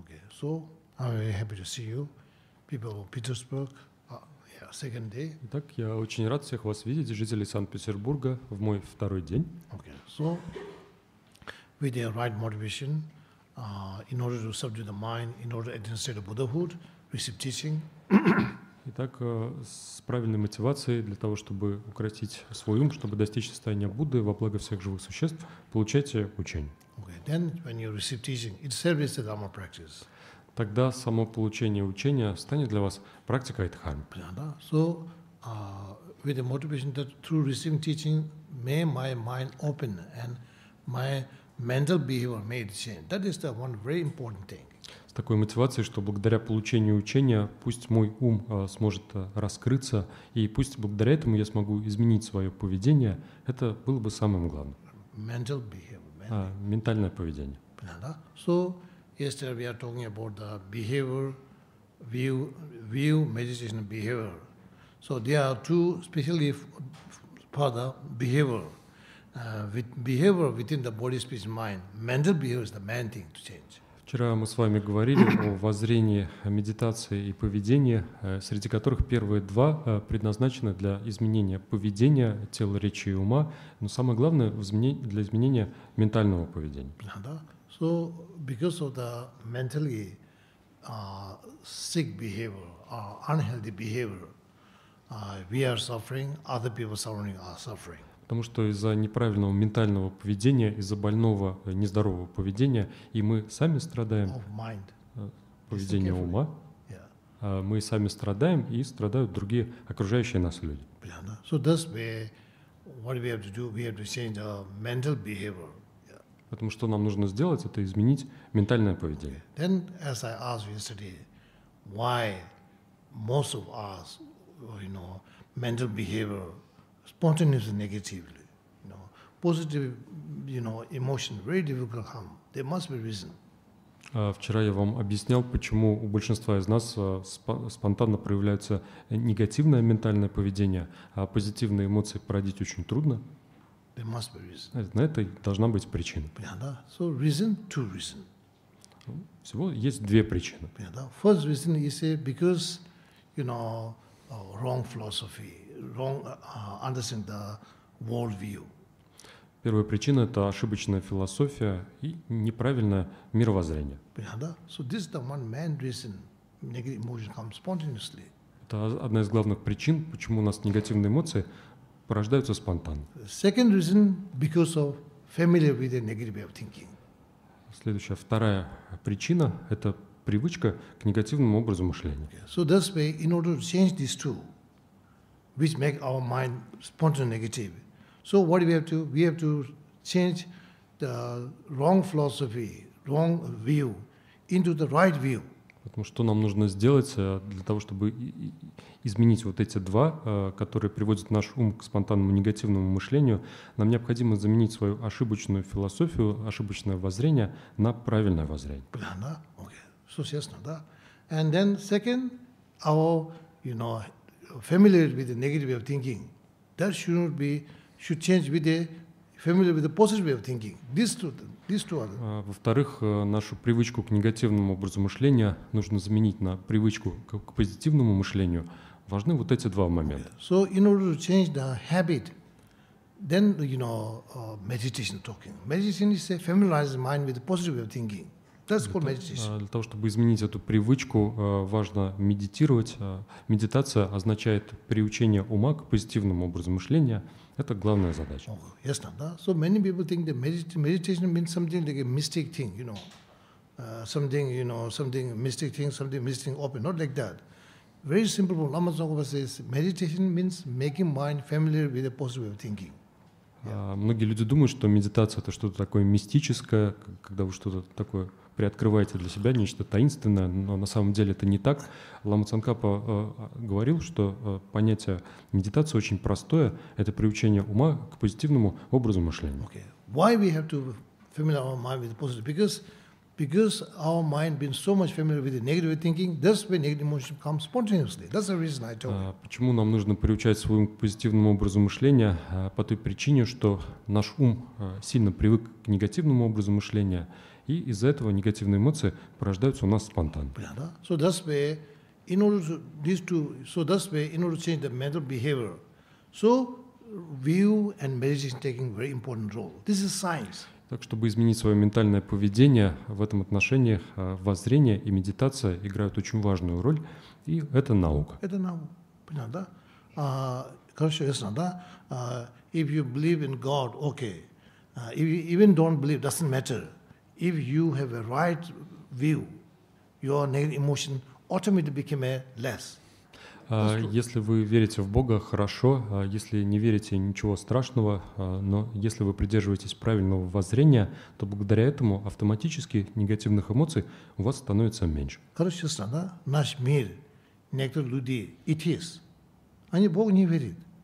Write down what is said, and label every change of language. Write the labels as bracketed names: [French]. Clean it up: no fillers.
[English] So I'm very happy to see you, people of Petersburg. Second day. [Russian] Итак, я очень рад всех вас видеть, жителей Санкт-Петербурга, в мой второй день. [English] Okay. So, with the right motivation, in order to subdue the mind, in order to attain the state of Buddhahood, receive teaching. [Russian] Итак, с правильной мотивацией для того, чтобы укротить свой ум, чтобы достичь состояния Будды во благо всех живых существ, получайте учение. [English] Okay. Then, when you receive teaching, it serves as a dharma practice. [Russian] Тогда само получение учения станет для вас практикой дхармы. [English] So, with the motivation that through receiving teaching, may my mind open and my mental behavior may change. That is the one very important thing. [Russian] С такой мотивацией, что благодаря получению учения, пусть мой ум сможет раскрыться, и пусть благодаря этому я смогу изменить свое поведение, это было бы самым главным. [English] Mental behavior. [Russian] Ментальное поведение. [English] So, yesterday we are talking about the behavior, view, meditation, behavior. So there are two, especially for the behavior, with behavior within the body, speech, mind. Mental behavior is the main thing to change. [Russian] Вчера мы с вами говорили о воззрении, медитации и поведении, среди которых первые два предназначены для изменения поведения тела, речи и ума, но самое главное для изменения ментального поведения. [English] So, because of the mentally sick behavior or unhealthy behavior, we are suffering. Other people suffering are suffering. [Russian] Потому что из-за неправильного ментального поведения, из-за больного, нездорового поведения, и мы сами страдаем. [English] Of mind. [Russian] Поведение ума. [English] Yeah. [Russian] Мы сами страдаем и страдают другие окружающие нас люди. [English] So that's where what we have to do. We have to change our mental behavior. [Russian] Потому что нам нужно сделать, это изменить ментальное поведение. [English] Okay. Then, as I asked yesterday, why most of us, you know, mental behavior spontaneously negatively, you know, positive, you know, emotion very difficult come. There must be reason. [Russian] Вчера я вам объяснял, почему у большинства из нас спонтанно проявляется негативное ментальное поведение, а позитивные эмоции породить очень трудно. [English] There must be reason. [Russian] На это должна быть причина. [English] So reason, two reason. [Russian] Всего есть две причины. [English] First reason is because, you know, wrong philosophy, wrong understanding the world view. [Russian] Первая причина – это ошибочная философия и неправильное мировоззрение. [English] So this is the one main reason negative emotion comes spontaneously. [Russian] Это одна из главных причин, почему у нас негативные эмоции порождаются спонтанно. [English] Second reason, because of familiar with the negative way of thinking. [Russian] Следующая, вторая причина – это привычка к негативному образу мышления. [English] Okay. So that's why, in order to change these two, which make our mind spontaneously negative, so what do we have to do? We have to change the wrong philosophy, wrong view into the right view. [Russian] Потому что нам нужно сделать для того, чтобы изменить вот эти два, которые приводят наш ум к спонтанному негативному мышлению, нам необходимо заменить свою ошибочную философию, ошибочное воззрение на правильное воззрение. Да, да, окей, все честно, да. [English] And then second, our, you know, familiar with the negative way of thinking, that shouldn't be, should change with the familiar with the positive way of thinking. [Russian] Во-вторых, нашу привычку к негативному образу мышления нужно заменить на привычку к позитивному мышлению. Важны вот эти два момента. [English] Okay. So in order to change the habit, then, you know, meditation talking. Meditation is a familiarized mind with positive way of thinking. That's called meditation. [Russian] Для того, чтобы изменить эту привычку, важно медитировать. Медитация означает приучение ума к позитивному образу мышления. Это главная задача. [English] Oh, yes, [Russian] да. [English] So many people think that meditation means something like a mystic thing, you know, something, you know, something mystic thing, something mystic open. Not like that. Very simple. Lama Tsongkhapa says meditation means making mind familiar with a positive way of thinking. [Russian] Многие люди думают, что медитация это что-то такое мистическое, когда вы что-то такое приоткрываете для себя, нечто таинственное, но на самом деле это не так. Лама Цанкапа говорил, что понятие медитации очень простое, это приучение ума к позитивному образу мышления. [English] Okay. Why we have to familiarize our mind with the positive? Because our mind been so much familiar with the negative thinking, that's when negative emotion comes spontaneously. That's the reason I told you. [Russian] Почему нам нужно приучать свой ум к позитивному образу мышления? По той причине, что наш ум сильно привык к негативному образу мышления, И из-за этого негативные эмоции порождаются у нас спонтанно. [English] So that's where in order to these two, so that's where in order to change the mental behavior, so view and meditation taking very important role. This is science. [Russian] Так, чтобы изменить свое ментальное поведение, в этом отношении воззрение и медитация играют очень важную роль, и это наука. Это наука, понятно, да? Хорошо, ясно, да? [English] If you believe in God, okay. If you even don't believe, doesn't matter. If you have a right view, your negative emotion automatically became less. [Russian] Если вы верите в Бога, хорошо. Если не верите, ничего страшного. Но если вы придерживаетесь правильного воззрения, то благодаря этому автоматически негативных эмоций у вас становится меньше. Короче, честно, да? Наш мир, некоторые люди, атеисты, они Бога не верят.